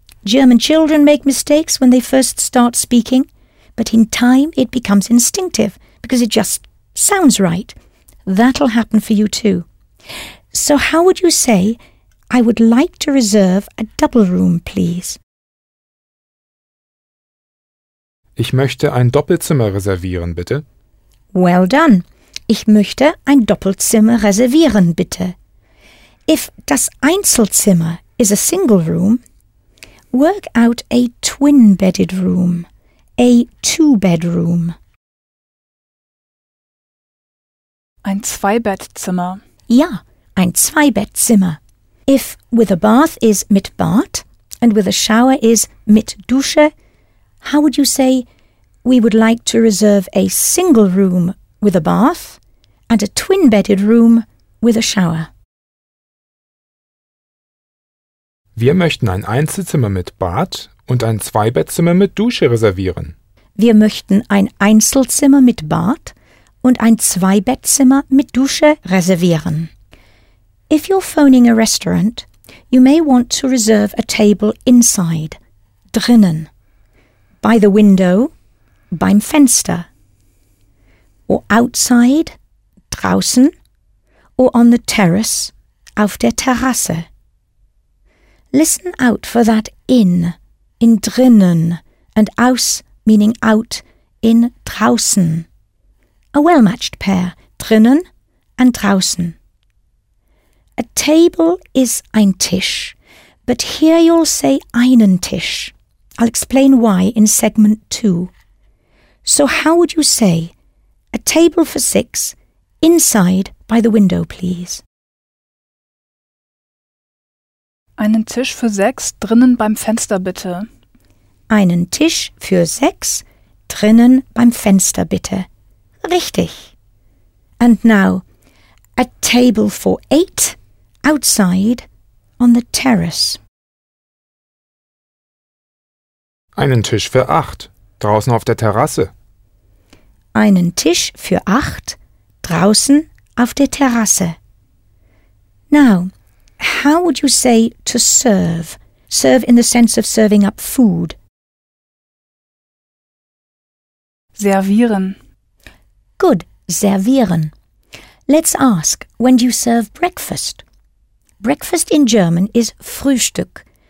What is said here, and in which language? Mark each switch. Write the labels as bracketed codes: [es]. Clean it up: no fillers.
[en] German children make mistakes when they first start speaking, but in time it becomes instinctive because it just sounds right. That'll happen for you too. So how would you say, I would like to reserve a double room, please? [de] Ich möchte ein Doppelzimmer reservieren, bitte. [en] Well done. [de] Ich möchte ein Doppelzimmer reservieren, bitte. [en] If [de] das Einzelzimmer [en] is a single room, work out a twin-bedded room, a two-bedroom. [de] Ein Zweibettzimmer. Ja, ein Zweibettzimmer. [en] If with a bath is [de] mit Bad [en] and with a shower is [de] mit Dusche, [en] how would you say, we would like to reserve a single room with a bath and a twin-bedded room with a shower? [de] Wir möchten ein Einzelzimmer mit Bad und ein Zweibettzimmer mit Dusche reservieren. Wir möchten ein Einzelzimmer mit Bad und ein Zweibettzimmer mit Dusche reservieren. [en] If you're phoning a restaurant, you may want to reserve a table inside, drinnen, by the window, [de] beim Fenster, [en] or outside, draußen, or on the terrace, [de] auf der Terrasse. [en] Listen out for that in drinnen, and aus, meaning out, in draußen. A well-matched pair, drinnen and draußen. A table is [de] ein Tisch, [en] but here you'll say [de] einen Tisch. [en] I'll explain why in segment two. So how would you say, a table for six, inside by the window, please? [de] Einen Tisch für sechs, drinnen beim Fenster, bitte. Einen Tisch für sechs, drinnen beim Fenster, bitte. Richtig. [en] And now, a table for eight, outside, on the terrace. [de] Einen Tisch für acht, draußen auf der Terrasse. Einen Tisch für 8, draußen auf der Terrasse. [en] Now, how would you say to serve? Serve in the sense of serving up food. [de] Servieren. [en] Good, servieren. Let's ask, when do you serve breakfast? Breakfast in German is Frühstück.